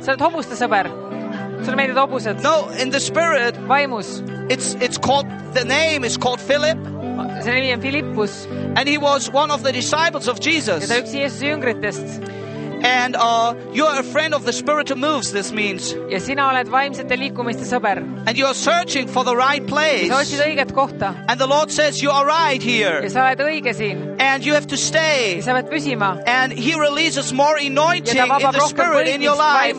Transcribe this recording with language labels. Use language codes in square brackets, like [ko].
[et] Sa oled hobuste sõber. Sa oled meeldid hobused. [en] No, in the spirit. [et] Vaimus. [en] It's called, the name is called Philip. [et] See nimi on Philippus. [en] And he was one of the disciples of Jesus. [et] Ja ta üks Jeesuse jüngritest. [en] And you are a friend of the spiritual moves, this means. [et] Ja sina oled vaimsete liikumiste sõber. [en] And you are searching for the right place. [et] Ja sa otsid õiget kohta. [en] And the Lord says you are right here. [et] Ja sa oled õige siin. [en] And you have to stay. [et] Ja sa pead püsima. [en] And he releases more anointing [et] ja [en] in the spirit in your life.